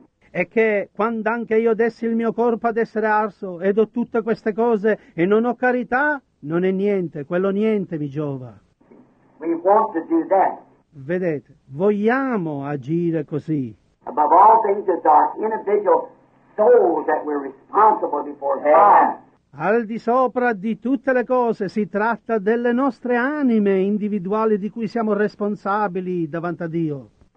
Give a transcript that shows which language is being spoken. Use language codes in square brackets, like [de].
[it] è che quando anche io dessi il mio corpo ad essere arso ed ho tutte queste cose e non ho carità, non è niente, quello niente mi giova. [en] We want to do that. [it] Vedete, vogliamo agire così. [en] Above all things, it's our individual souls that we're responsible before God. [it] Al di sopra di tutte le cose si tratta delle nostre anime individuali di cui siamo responsabili davanti a Dio.